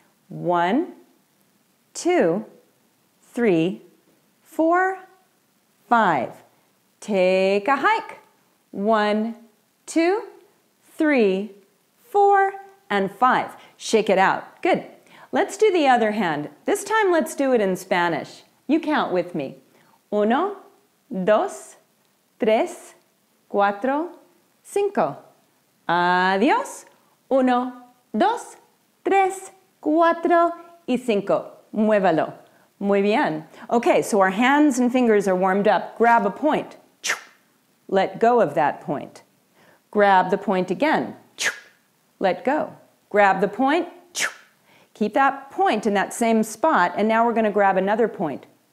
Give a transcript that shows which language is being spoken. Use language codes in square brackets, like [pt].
[en] One, two, three, four, five. Take a hike. One, two, three, four, and five. Shake it out. Good. Let's do the other hand. This time, let's do it in Spanish. You count with me. [es] Uno, dos, tres, cuatro, cinco. Adiós. Uno, dos, tres, cuatro, y cinco. Muévalo. Muy bien. [en] Okay, so our hands and fingers are warmed up. Grab a point. Let go of that point. Grab the point again. Let go. Grab the point. Keep that point in that same spot, and now we're going to grab another point.